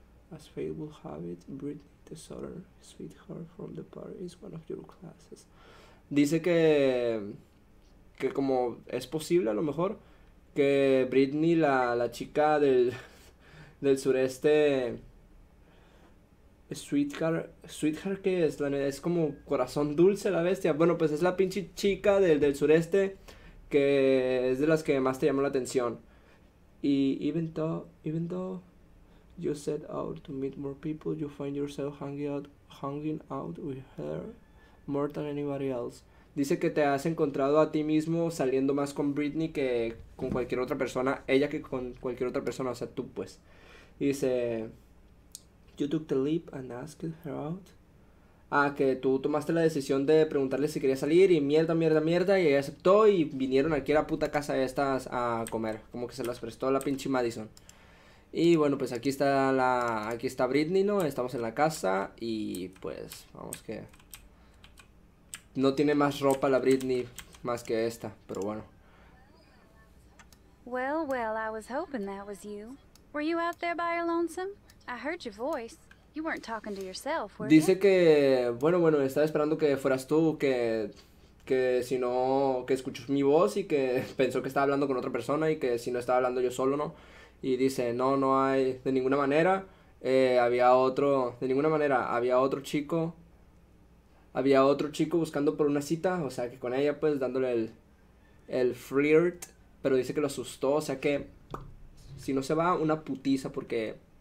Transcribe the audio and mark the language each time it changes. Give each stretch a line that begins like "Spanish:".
English: As fate will have it, Britney, the southern sweetheart from the party, is one of your classes.
Spanish: Dice que como es posible a lo mejor que Britney, la chica del sureste. Sweetheart, ¿qué es? Es como corazón dulce la bestia. Bueno, pues es la pinche chica del sureste que es de las que más te llamó la atención.
English: Y even though you set out to meet more people, you find yourself hanging out with her more than anybody else.
Spanish: Dice que te has encontrado a ti mismo saliendo más con Britney que con cualquier otra persona, ella que con cualquier otra persona, o sea, tú pues. Dice.
English: You took the leap and asked her out.
Spanish: Ah, que tú tomaste la decisión de preguntarle si quería salir y mierda, mierda, mierda. Y ella aceptó y vinieron aquí a la puta casa de estas a comer. Como que se las prestó la pinche Madison. Y bueno, pues aquí está Britney, ¿no? Estamos en la casa y pues vamos que. No tiene más ropa la Britney más que esta, pero bueno.
English: Well, well, I was hoping that was you. Were you out there by your lonesome? I heard your voice. You weren't talking to yourself, were you?
Spanish: Dice que, bueno, estaba esperando que fueras tú, que si no, que escuchó mi voz y que pensó que estaba hablando con otra persona y que si no estaba hablando yo solo, ¿no? Y dice, no, no hay, de ninguna manera, de ninguna manera, había otro chico buscando por una cita, o sea, que con ella, pues, dándole el flirt, pero dice que lo asustó, o sea, que si no se va, una putiza, porque.